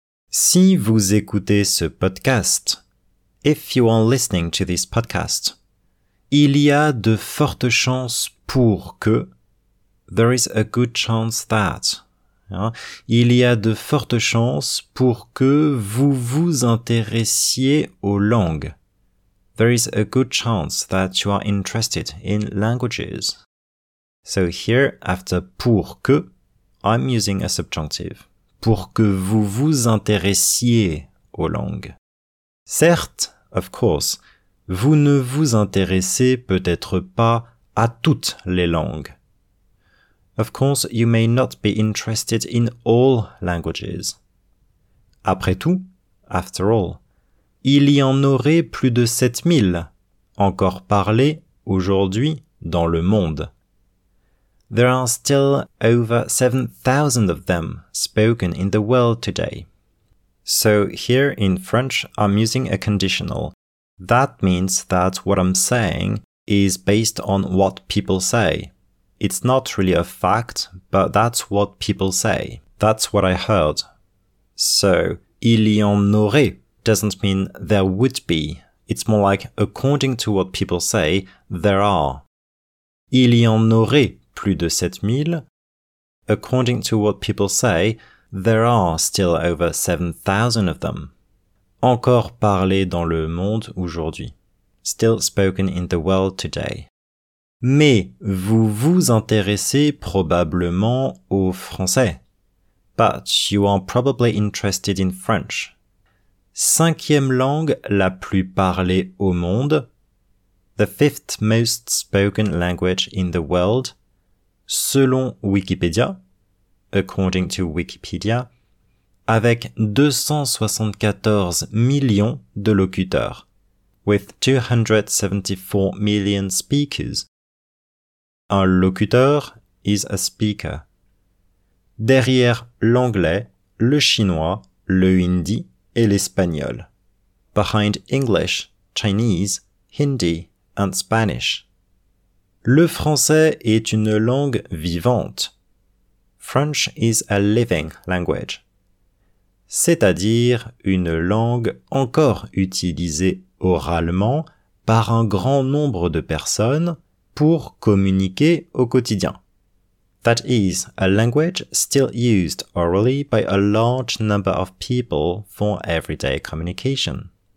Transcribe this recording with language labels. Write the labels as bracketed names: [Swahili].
[French] Si vous écoutez ce podcast, [English] if you are listening to this podcast, [French] il y a de fortes chances pour que, [English] there is a good chance that, [French] il y a de fortes chances pour que vous vous intéressiez aux langues. [English] There is a good chance that you are interested in languages. So here, after pour que, I'm using a subjunctive. [French] Pour que vous vous intéressiez aux langues. Certes, [English] of course, [French] vous ne vous intéressez peut-être pas à toutes les langues. [English] Of course, you may not be interested in all languages. [French] Après tout, [English] after all, [French] il y en aurait plus de 7000 encore parlées aujourd'hui dans le monde. [English] There are still over 7000 of them spoken in the world today. So here in French, I'm using a conditional. That means that what I'm saying is based on what people say. It's not really a fact, but that's what people say. That's what I heard. So, [French] il y en aurait [English] doesn't mean there would be. It's more like, according to what people say, there are. [French] Il y en aurait plus de 7000. [English] According to what people say, there are still over 7000 of them. [French] Encore parlé dans le monde aujourd'hui. [English] Still spoken in the world today. [French] Mais vous vous intéressez probablement au français. [English] But you are probably interested in French. [French] Cinquième langue la plus parlée au monde. [English] The fifth most spoken language in the world. [French] Selon Wikipédia. [English] According to Wikipedia. [French] Avec 274 millions de locuteurs. [English] With 274 million speakers. [French] Un locuteur [English] is a speaker. [French] Derrière l'anglais, le chinois, le hindi et l'espagnol. [English] Behind English, Chinese, Hindi and Spanish. [French] Le français est une langue vivante. [English] French is a living language. [French] C'est-à-dire une langue encore utilisée oralement par un grand nombre de personnes pour communiquer au quotidien. [English] That is, a language still used orally by a large number of people for everyday communication.